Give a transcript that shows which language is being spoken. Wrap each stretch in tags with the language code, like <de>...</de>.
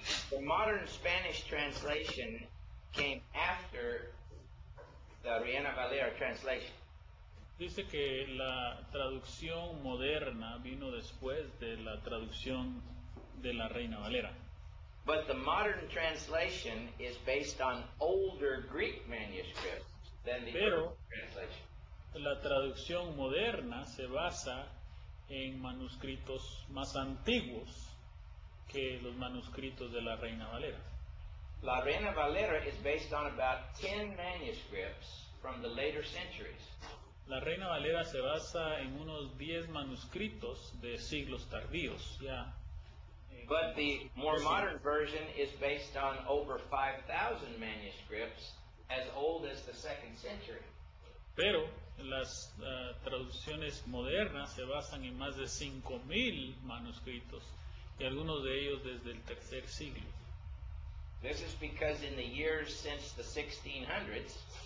<en>The modern Spanish translation came after the Reina Valera translation.</en> <es>Dice que la traducción moderna vino después de la traducción de la Reina Valera.</es> <en>But the modern translation is based on older Greek manuscripts than the original translation.</en> <es>La traducción moderna se basa en manuscritos más antiguos que los manuscritos de la Reina Valera.</es> <en>La Reina Valera is based on about 10 manuscripts from the later centuries.</en> <es>La Reina Valera se basa en unos 10 manuscritos de siglos tardíos, ya.</es> <en>But the more modern version is based on over 5,000 manuscripts as old as the second century.</en> <es>Pero las traducciones modernas se basan en más de 5,000 manuscritos y algunos de ellos desde el tercer siglo.</es> <en>This is because in the years since the 1600s,</en>